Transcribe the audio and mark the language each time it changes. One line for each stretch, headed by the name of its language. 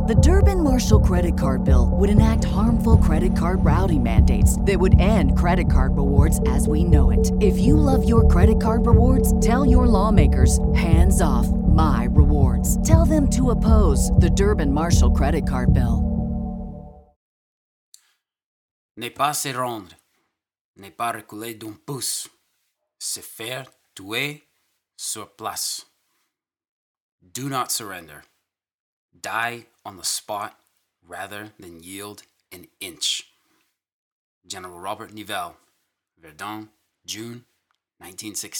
English: The Durbin-Marshall credit card bill would enact harmful credit card routing mandates that would end credit card rewards as we know it. If you love your credit card rewards, tell your lawmakers, hands off my rewards. Tell them to oppose the Durbin-Marshall credit card bill.
French: Ne pas se rendre, ne pas reculer d'un pouce, se faire tuer sur place.
English: Do not surrender. Die on the spot rather than yield an inch. General Robert Nivelle, Verdun, June 1916.